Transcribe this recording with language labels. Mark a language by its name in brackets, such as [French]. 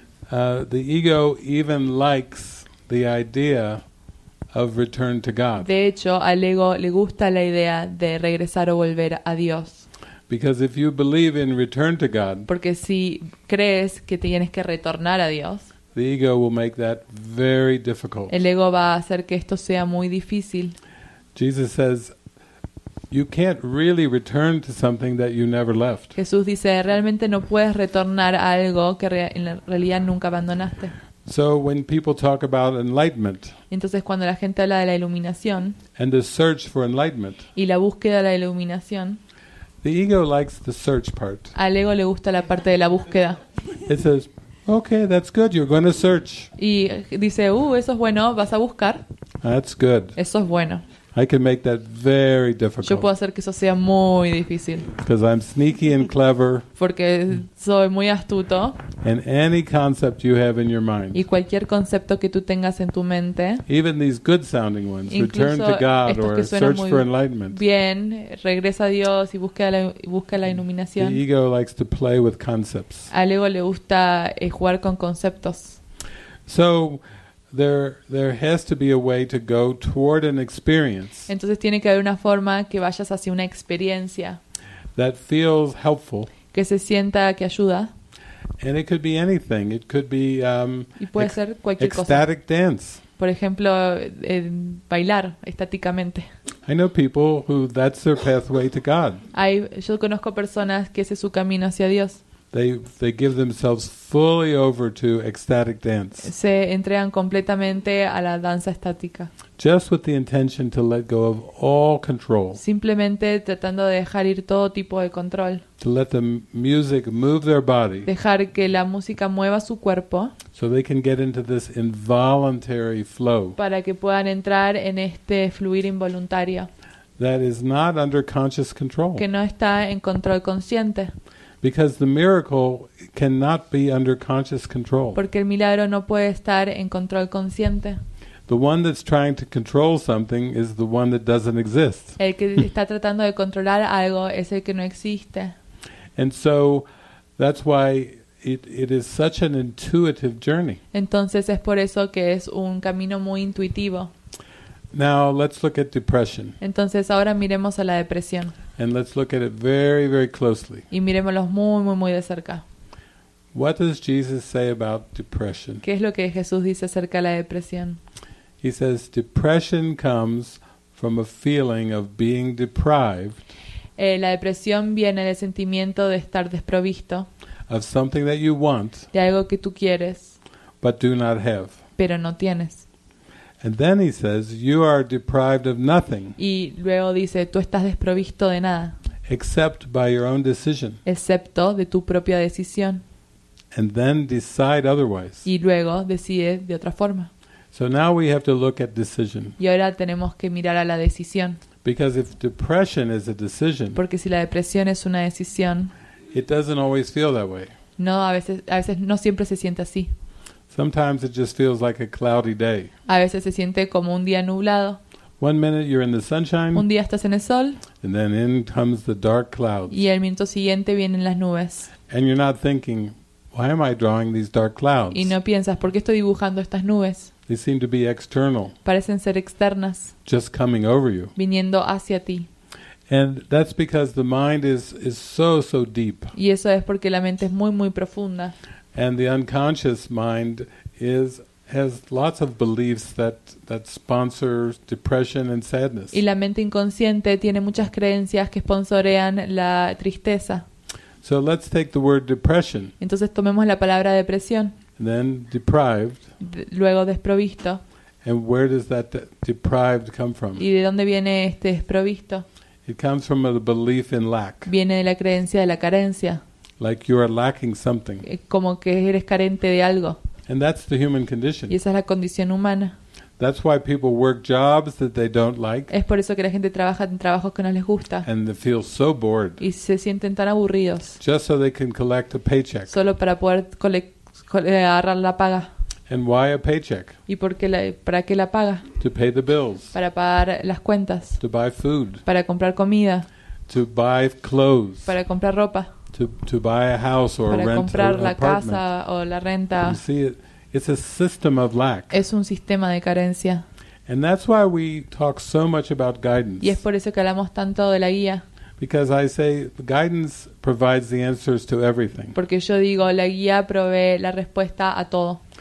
[English] The ego even likes the idea of return to God. [Spanish] De hecho, al ego le gusta la idea de regresar o volver a Dios. [English] Because if you believe in return to God, [Spanish] porque si crees que tienes que retornar a Dios, [English] the ego will make that very difficult. [Spanish] El ego va a hacer que esto sea muy difícil. [English] Jesus says, you can't really return to something that you never left. [Spanish] Jesús dice, realmente no puedes retornar a algo que en realidad nunca abandonaste. [English] So when people talk about enlightenment, [Spanish] entonces cuando la gente habla de la iluminación, [English] and the search for enlightenment, [Spanish] y la búsqueda de la iluminación, [English] the ego likes the search part. [Spanish] Al ego le gusta la parte de la búsqueda. [English] It says, okay, that's good. You're going to search. [Spanish] Y dice, eso es bueno. Vas a buscar. [English] That's good. [Spanish] Eso es bueno. [English] I can make that very difficult. [Spanish] Yo puedo hacer que eso sea muy difícil. [English] Because I'm sneaky and clever. [Spanish] Porque soy muy astuto. [English] And any concept you have in your mind. [Spanish] Y cualquier concepto que tú tengas en tu mente. [English] Even these good-sounding ones, return to God or search for enlightenment. [Spanish] Bien, regresa a Dios y busca la iluminación. [English] The ego likes to play with concepts. [Spanish] Al ego le gusta jugar con conceptos. [English] So. There has to be a way to go toward an experience. [Spanish] Entonces tiene que haber una forma que vayas hacia una experiencia. [English] That feels helpful. [Spanish] Que se sienta que ayuda. [English] And it could be anything. It could be [Spanish] y puede ser cualquier [English] ecstatic [Spanish] cosa. [English] Ecstatic dance. [Spanish] Por ejemplo, bailar estáticamente. [English] I know people who that's their pathway to God. [Spanish] Yo conozco personas que ese es su camino hacia Dios. [English] They give themselves fully over to ecstatic dance. [Spanish] Se entregan completamente a la danza estática. [English] Just with the intention to let go of all control. [Spanish] Simplemente tratando de dejar ir todo tipo de control. [English] To let the music move their body. [Spanish] Dejar que la música mueva su cuerpo. [English] So they can get into this involuntary flow. [Spanish] Para que puedan entrar en este fluir involuntario. [English] That is not under conscious control. [Spanish] Que no está en control consciente. [English] Because the miracle cannot be under conscious control. [Spanish] Porque el milagro no puede estar en control consciente. [English] The one that's trying to control something is the one that doesn't exist. [Spanish] El que está tratando de controlar algo es el que no existe. [English] And so that's why it is such an intuitive journey. [Spanish] Entonces es por eso que es un camino muy intuitivo. [English] Now let's look at depression. [Spanish] Entonces ahora miremos a la depresión. [English] And let's look at it very, very closely. [Spanish] Y miremoslos muy, muy, muy de cerca. [English] What does Jesus say about depression? [Spanish] ¿Qué es lo que Jesús dice acerca de la depresión? [English] He says depression comes from a feeling of being deprived. [Spanish] La depresión viene del sentimiento de estar desprovisto. [English] Of something that you want. [Spanish] De algo que tú quieres. [English] But do not have. [Spanish] Pero no tienes. [English] And then he says, "You are deprived of nothing." [Spanish] Y luego dice, tú estás desprovisto de nada. [English] except by your own decision. [Spanish] Excepto de tu propia decisión. [English] And then decide otherwise. [Spanish] Y luego decide de otra forma. [English] So now we have to look at decision. [Spanish] Y ahora tenemos que mirar a la decisión. [English] Because if depression is a decision, [Spanish] porque si la depresión es una decisión, [English] it doesn't always feel that way. [Spanish] No, a veces no siempre se siente así. [English] Sometimes it just feels like a cloudy day. [Spanish] A veces se siente como un día nublado. [English] One minute you're in the sunshine. [Spanish] Un día estás en el sol. [English] And then in comes the dark clouds. [Spanish] Y el minuto siguiente vienen las nubes. [English] And you're not thinking, why am I drawing these dark clouds? [Spanish] Y no piensas, ¿por qué estoy dibujando estas nubes? [English] They seem to be external. [Spanish] Parecen ser externas. [English] Just coming over you. [Spanish] Viniendo hacia ti. [English] And that's because the mind is so, so deep. [Spanish] Y eso es porque la mente es muy, muy profunda. [English] And the unconscious mind has lots of beliefs that sponsor depression and sadness. [Spanish] Y la mente inconsciente tiene muchas creencias que sponsorean la tristeza. [English] So let's take the word depression. [Spanish] Entonces tomemos la palabra depresión. [English] Then deprived. [Spanish] Luego desprovisto. [English] And where does that deprived come from? [Spanish] ¿Y de dónde viene este desprovisto? [English] It comes from a belief in lack. [Spanish] Viene de la creencia de la carencia. [English] Like you are lacking something. [Spanish] Como que eres carente de algo. [English] And that's the human condition. [Spanish] Y esa es la condición humana. [English] That's why people work jobs that they don't like. [Spanish] Es por eso que la gente trabaja en trabajos que no les gusta. [English] And they feel so bored. [Spanish] Y se sienten tan aburridos. [English] Just so they can collect a paycheck. [Spanish] Solo para poder agarrar la paga. [English] And why a paycheck? [Spanish] ¿Y por qué para qué la paga? [English] To pay the bills. [Spanish] Para pagar las cuentas. [English] To buy food. [Spanish] Para comprar comida. [English] To buy clothes. [Spanish] Para comprar ropa. [English] To buy a house or [Spanish] para [English] rent [Spanish] comprar [English] a [Spanish] la [English] apartment. [Spanish] Casa o la renta. [English] You see, it's a system of lack. [Spanish] Es un sistema de carencia. [English] And that's why we talk so much about guidance. [Spanish] Y es por eso que hablamos tanto de la guía. [English] Because I say guidance provides the answers to everything. [Spanish] Porque yo digo, la guía provee la respuesta a todo.